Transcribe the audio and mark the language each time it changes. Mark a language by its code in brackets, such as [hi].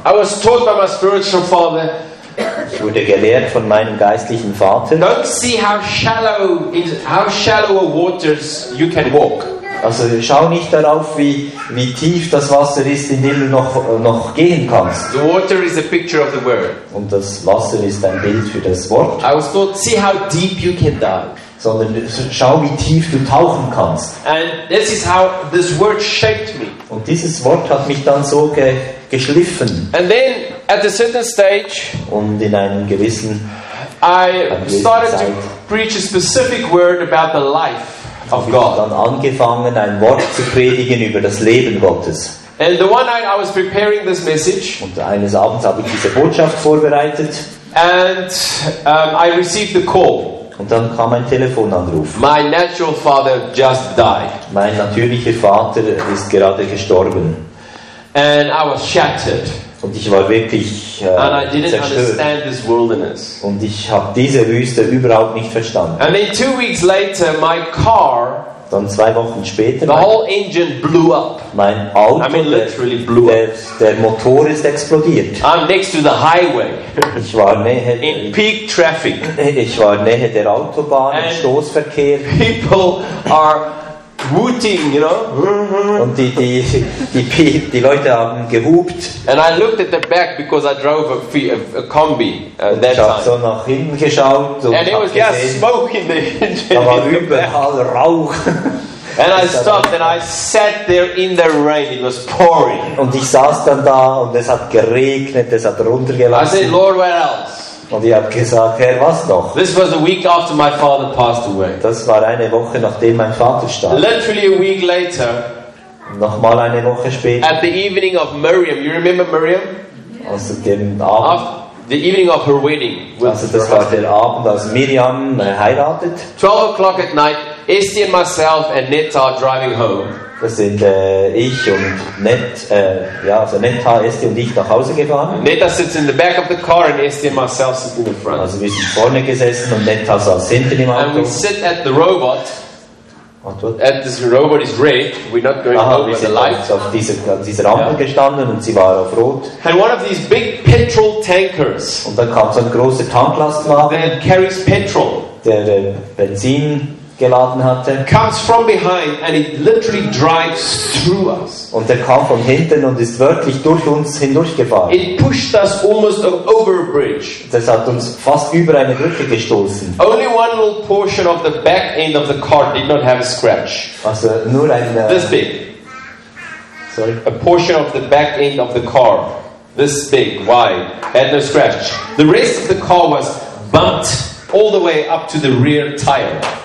[en] I was taught by my spiritual father. [de] Ich wurde gelehrt von meinem geistlichen Vater. [en] Don't see how shallow waters you can walk. [de] Also schau nicht darauf, wie tief das Wasser ist, in dem du noch gehen kannst. [en] The water is a picture of the word. [de] Und das Wasser ist ein Bild für das Wort. [en] I was taught, see how deep you can dive. [de] Sondern schau, wie tief du tauchen kannst. [en] And this is how this word shaped me. [de] Und dieses Wort hat mich dann so geschliffen. [en] And then at a certain stage, [de] und in einem gewissen [en] I started [de] Zeit, [en] to preach a specific word about the life of God. [de] Dann angefangen, ein Wort zu predigen über das Leben Gottes. [en] And the one night I was preparing this message, [de] und eines Abends habe ich diese Botschaft vorbereitet. [en] And I received the call. [de] Und dann kam ein Telefonanruf. [en] My natural father just died. [de] Mein natürlicher Vater ist gerade gestorben. [en] And I was shattered. [de] Und ich war wirklich zerstört. Und ich habe diese Wüste überhaupt nicht verstanden. [en] And then 2 weeks later, my car, [de] dann 2 Wochen später, [en] the whole engine blew up. [de] Mein Auto, [en] I mean, literally blew up. [de] Der Motor ist explodiert. [en] I'm next to the highway. [de] Ich war nähe, [en] in peak traffic. [de] Ich war nähe der Autobahn, im Stoßverkehr. [en] People are hooting, you know? [de] Und die Leute haben gehupt. [en] And I looked at the back because I drove a Kombi that time. [de] Ich habe so nach hinten geschaut und [en] it was [de] gesehen, [en] smoke in the engine. [de] Da war überall Rauch. [en] And I stopped and I sat there in the rain. It was pouring. [de] Und ich saß dann da und es hat geregnet, es hat runtergelassen. [en] I said, Lord, where else? [de] Und ich habe gesagt, Herr, was noch? [en] This was a week after my father passed away. [de] Das war eine Woche, nachdem mein Vater starb. [en] Literally a week later. [de] Nochmal eine Woche später. [en] At the evening of Miriam. You remember Miriam? [de] Also den Abend. [en] The evening of her wedding. [de] Also das war der Abend, als Miriam heiratet. [en] 12 o'clock at night. Esti and myself and Netta are driving home. [de] Das sind ich und Netta, Esti und ich nach Hause gefahren. [en] Netta sits in the back of the car and Esti and myself sit in the front. [de] Also wir sind vorne gesessen und Netta saß hinten im Auto. [en] And we sit at the robot. What? And this robot is red. We're not going over [de] wir [en] the lights. [de] Auf dieser Rampe gestanden und sie war auf rot. [en] And one of these big petrol tankers. [de] Und dann kam so ein großer Tanklastwagen. [en] That carries petrol. [de] Der Benzin geladen hatte. [en] Comes from behind and it literally drives through us. [de] Und er kam von hinten und ist wirklich durch uns hindurchgefahren. [en] It pushed us almost over a bridge. [de] Das hat uns fast über eine Brücke gestoßen. [en] Only one little portion of the back end of the car did not have a scratch. [de] Also nur ein [en] this big. Sorry. A portion of the back end of the car, this big, wide, had no scratch. The rest of the car was bumped all the way up to the rear tire.